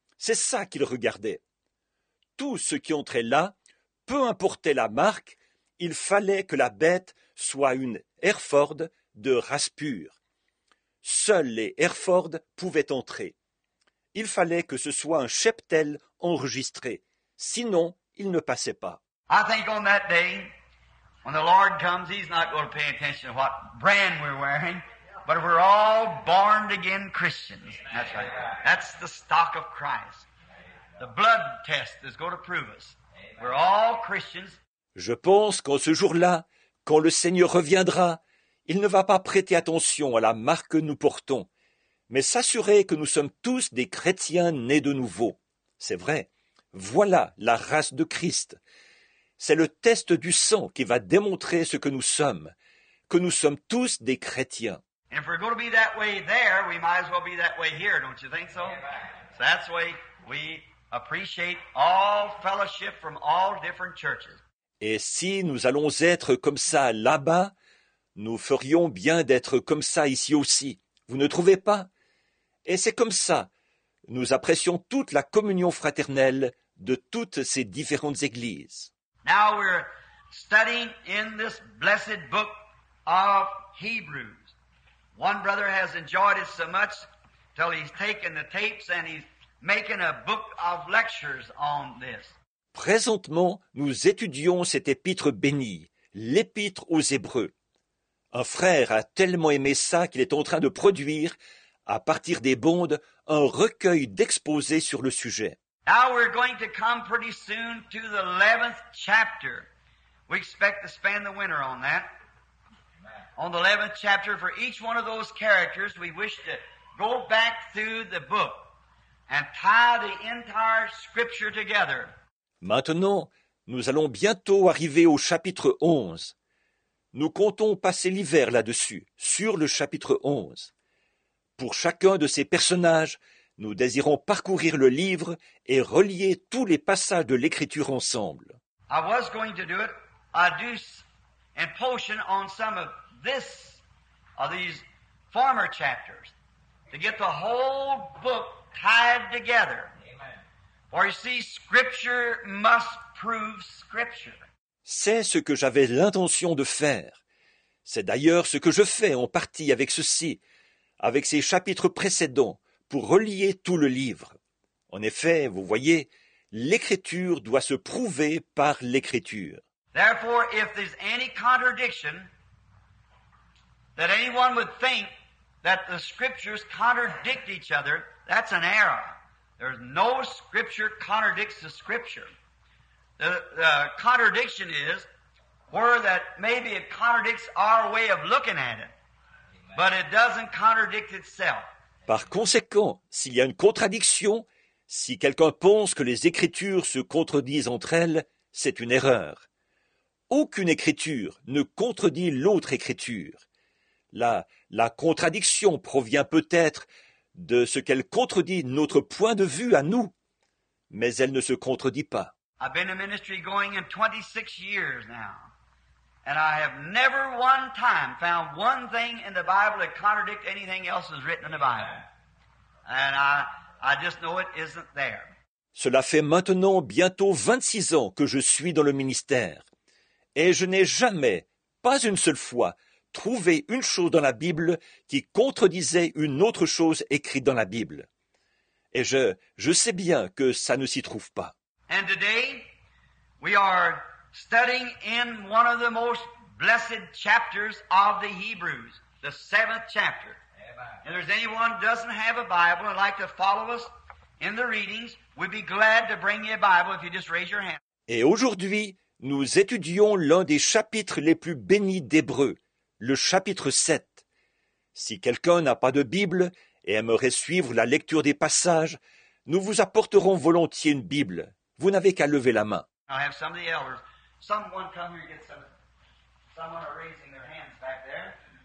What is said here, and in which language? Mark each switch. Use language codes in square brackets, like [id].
[fr] C'est ça qu'il regardait. Tout ce qui entrait là, peu importait la marque, il fallait que la bête soit une Hereford de race pure. Seuls les Hereford pouvaient entrer. Il fallait que ce soit un cheptel enregistré, sinon il ne passait pas. [en] I think on that day, when the Lord comes, he's not going to pay attention to what brand we're wearing. But we're all born again Christians. Amen. That's right. That's the stock of Christ. The blood test is going to prove us. We're all Christians. [fr] Je pense qu'en ce jour-là, quand le Seigneur reviendra, il ne va pas prêter attention à la marque que nous portons, mais s'assurer que nous sommes tous des chrétiens nés de nouveau. C'est vrai, voilà la race de Christ. C'est le test du sang qui va démontrer ce que nous sommes, que nous sommes tous des chrétiens. [en] And if we're going to be that way there, we might as well be that way here, don't you think so? So that's the way we appreciate all fellowship from all different churches. [fr] Et si nous allons être comme ça là-bas, nous ferions bien d'être comme ça ici aussi. Vous ne trouvez pas? Et c'est comme ça. Nous apprécions toute la communion fraternelle de toutes ces différentes églises. [en] Now we're studying in this blessed book of Hebrews. One brother has enjoyed it so much till he's taken the tapes and he's making a book of lectures on this. [fr] Présentement, nous étudions cet épître béni, l'épître aux Hébreux. Un frère a tellement aimé ça qu'il est en train de produire, à partir des bandes, un recueil d'exposés sur le sujet. [en] Now we're going to come pretty soon to the 11th chapter. We expect to spend the winter on that. On the 11th chapter, for each one of those characters, we wish to go back through the book and tie the entire scripture together. [fr] Maintenant, nous allons bientôt arriver au chapitre 11. Nous comptons passer l'hiver là-dessus, sur le chapitre 11. Pour chacun de ces personnages, nous désirons parcourir le livre et relier tous les passages de l'Écriture ensemble. [en] I was going to do it. I do a portion on some of this, of these former chapters, to get the whole book tied together. For you see, Scripture must prove Scripture. [fr] C'est ce que j'avais l'intention de faire. C'est d'ailleurs ce que je fais en partie avec ceci, avec ces chapitres précédents, pour relier tout le livre. En effet, vous voyez, l'Écriture doit se prouver par l'Écriture. [en] Therefore, if there's any contradiction, that anyone would think that the Scriptures contradict each other, that's an error. There's no scripture contradicts the scripture. The contradiction is where that maybe it contradicts our way of looking at it, but it doesn't contradict itself. [fr] Par conséquent, s'il y a une contradiction, si quelqu'un pense que les Écritures se contredisent entre elles, c'est une erreur. Aucune Écriture ne contredit l'autre Écriture. La contradiction provient peut-être de ce qu'elle contredit notre point de vue à nous, mais elle ne se contredit pas. [en] I've been in ministry going in 26 years now, and I have never one time found one thing in the Bible that contradicts anything else that's written in the Bible. And I just know it isn't there. [fr] Cela fait maintenant bientôt 26 ans que je suis dans le ministère, et je n'ai jamais, pas une seule fois, trouver une chose dans la Bible qui contredisait une autre chose écrite dans la Bible. Et je sais bien que ça ne s'y trouve pas. [en] And today, we are studying in one of the most blessed chapters of the Hebrews, the 7th chapter. And if there's anyone who doesn't have a Bible and like to follow us in the readings, we'd be glad to bring you a Bible if you just raise your hand. [fr] Et aujourd'hui, nous étudions l'un des chapitres les plus bénis d'Hébreux, le chapitre 7. Si quelqu'un n'a pas de Bible et aimerait suivre la lecture des passages, nous vous apporterons volontiers une Bible. Vous n'avez qu'à lever la main. [en] I have some of the elders. Someone come here and get some. Someone are raising their hands back there.